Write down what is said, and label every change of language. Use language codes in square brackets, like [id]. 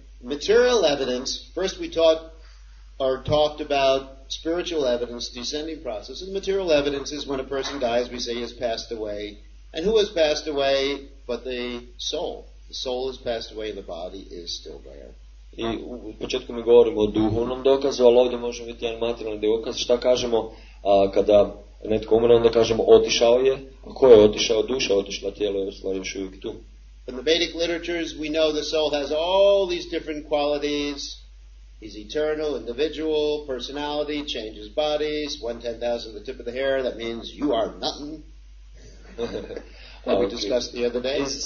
[en] Material evidence, first we talked about spiritual evidence, descending process. And material evidence is when a person dies, we say he has passed away. And who has passed away but the soul? The soul has passed away, the body is still there. [hr] I u početku mi govorimo o duhovnom dokazu, ali ovdje možemo vidjeti jedan materijalni dokaz. Šta kažemo kada netko umre, onda kažemo otišao je. A ko je otišao? Duša otišla, tijelo je u stvari još uvijek tu. [en] In the Vedic literatures we know the soul has all these different qualities. He's eternal, individual, personality, changes bodies, 1/10,000 of the tip of the hair, that means you are nothing. That we discussed the other day.